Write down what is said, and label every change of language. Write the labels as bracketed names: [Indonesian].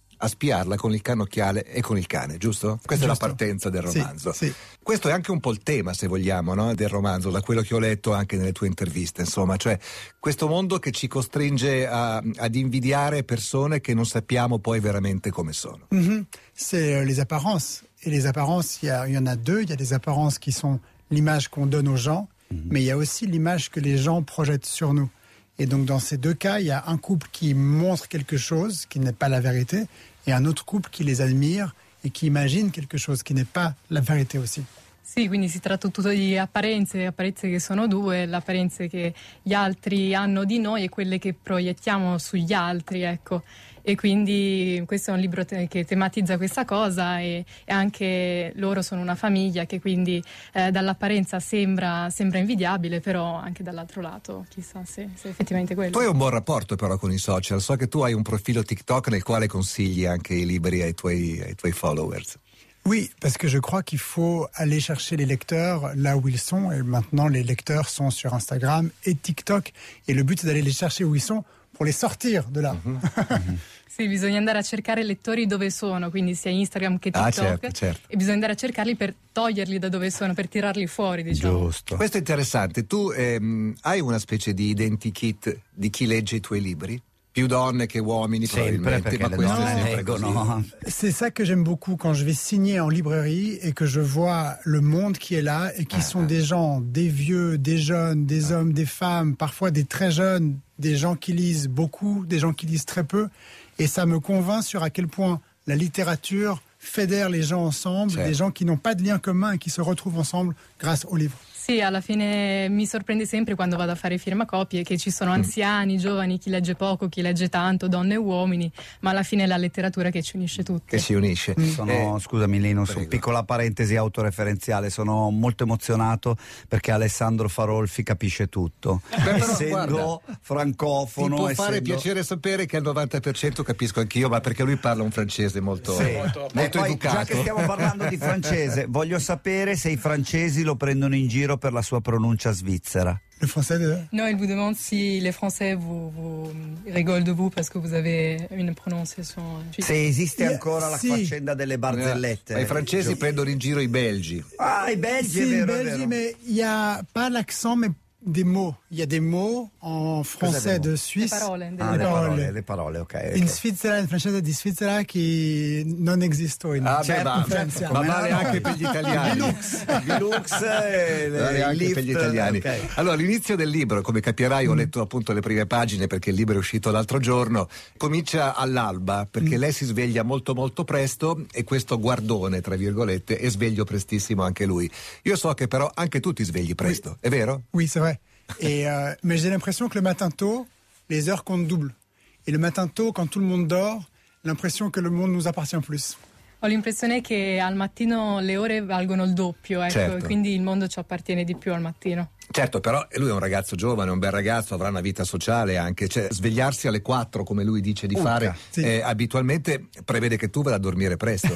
[Italian] a spiarla con il cannocchiale e con il cane, giusto? Questa giusto. È la partenza del romanzo. Sì, sì. Questo è anche un po' il tema, se vogliamo, no? Del romanzo, da quello che ho letto anche nelle tue interviste, insomma, cioè questo mondo che ci costringe ad invidiare persone che non sappiamo poi veramente come sono. [French] Mm-hmm. C'est les apparences. Et les apparences, il y en a deux. Il y a des apparences qui sont l'image qu'on donne aux gens, mm-hmm. mais il y a aussi l'image que les gens projettent sur nous. Et donc, dans ces deux cas, il y a un couple qui montre quelque chose qui n'est pas la vérité et un autre couple qui les admire et qui imagine quelque chose qui n'est pas la vérité aussi. [Italian] Sì, quindi si tratta tutto di apparenze che sono due, le apparenze che gli altri hanno di noi e quelle che proiettiamo sugli altri, ecco. E quindi questo è un libro che tematizza questa cosa e anche loro sono una famiglia che quindi dall'apparenza sembra invidiabile, però anche dall'altro lato chissà se effettivamente quello. Tu hai un buon rapporto però con i social, so che tu hai un profilo TikTok nel quale consigli anche i libri ai tuoi followers. [French] Oui, parce que je crois qu'il faut aller chercher les lecteurs là où ils sont. Et maintenant, les lecteurs sont sur Instagram et TikTok. Et le but, c'est d'aller les chercher où ils sont pour les sortir de là. Mm-hmm. [Italian] Sì, bisogna andare a cercare i lettori dove sono, quindi sia Instagram che TikTok. Ah, certo. E bisogna andare a cercarli per toglierli da dove sono, per tirarli fuori, diciamo. Giusto. Questo è interessante. Tu hai una specie di identikit di chi legge i tuoi libri? Più donne che uomini, sempre, probabilmente, perché ma le donne leggono. [French] C'est ça que j'aime beaucoup quand je vais signer en librairie et que je vois le monde qui est là et qui sont des gens, des vieux, des jeunes, des hommes, des femmes, parfois des très jeunes, des gens qui lisent beaucoup, des gens qui lisent très peu. Et ça me convainc sur à quel point la littérature fédère les gens ensemble, des gens qui n'ont pas de lien commun et qui se retrouvent ensemble grâce aux livres. [Italian] Sì, alla fine mi sorprende sempre quando vado a fare firmacopie che ci sono anziani, giovani, chi legge poco, chi legge tanto, donne e uomini, ma alla fine è la letteratura che ci unisce tutti. Che si unisce. Scusami Lino, su piccola parentesi autoreferenziale, sono molto emozionato perché Alessandro Farolfi capisce tutto. Beh, però, essendo guarda, francofono. Ti può essendo... fare piacere sapere che al 90% capisco anch'io, ma perché lui parla un francese molto, sì. molto educato. Già che stiamo parlando di francese, voglio sapere se i francesi lo prendono in giro per la sua pronuncia svizzera. [French] Le français de... No, il vous demande si les français vous rigolent de vous parce que vous avez une prononciation. [Italian] Se esiste ancora la sì. faccenda delle barzellette. Ma i francesi prendono in giro i belgi. Ah, i belgi, sì, è vero, i belgi, è vero. [French] Mais il y a pas l'accent mais des mots. Il y a des mots en français de Suisse. [Italian] Le parole, ok. In Svizzera, il francese di Svizzera che non esiste. Ah, certo. Ma vale anche per gli italiani. Bilux. Per gli italiani. Okay. Allora, l'inizio del libro, come capirai, ho letto appunto le prime pagine perché il libro è uscito l'altro giorno, comincia all'alba perché lei si sveglia molto molto presto e questo guardone, tra virgolette, è sveglio prestissimo anche lui. Io so che però anche tu ti svegli presto, [French] oui. [Italian] È vero? [French] Oui, c'est vrai. Mais j'ai l'impression que le matin tôt, les heures comptent double. Et le matin tôt, quand tout le monde dort, l'impression que le monde nous appartient plus. [Italian] Ho l'impressione che al mattino le ore valgono il doppio, ecco, certo. Quindi il mondo ci appartiene di più al mattino. Certo, però lui è un ragazzo giovane, un bel ragazzo, avrà una vita sociale anche. Cioè, svegliarsi alle 4, come lui dice di fare, sì. Abitualmente prevede che tu vada a dormire presto,